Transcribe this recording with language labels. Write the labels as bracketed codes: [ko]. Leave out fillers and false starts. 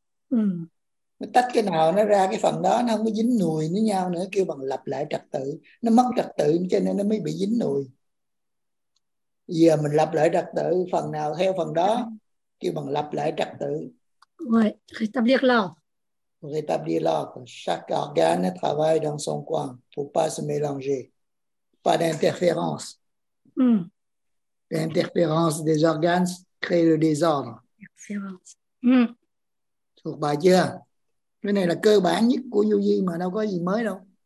[vi] Ừ. Tách cái nào nó ra cái phần đó, nó không có dính nùi với nhau nữa, kêu bằng lập lại trật tự. Nó mất trật tự cho nên nó mới bị dính nùi. Giờ mình lập lại trật tự phần nào theo phần đó, kêu bằng lập lại trật tự. [fr] Rétablir l'ordre. Chaque organe travaille dans son coin pour pas se mélanger. Pas d'interférence. L'interférence des organes crée le désordre. [vi] Thuộc bài chưa? Cái này là cơ bản nhất của Yogi mà đâu có gì mới đâu.